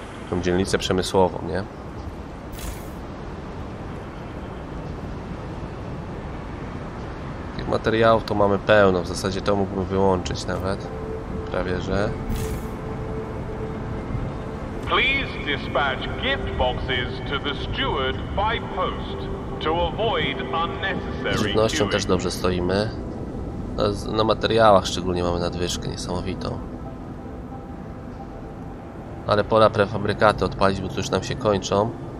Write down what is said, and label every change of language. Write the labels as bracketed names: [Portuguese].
[Polish] Tą dzielnicę przemysłową, nie? Tych materiałów to mamy pełno. W zasadzie to mógłbym wyłączyć nawet. Prawie że. [English] Please dispatch gift boxes to the steward by post to avoid unnecessary. [Polish] Z żywnością też dobrze stoimy. Na materiałach szczególnie mamy nadwyżkę niesamowitą. Ale pora prefabrykaty odpalić, bo tu już nam się kończą.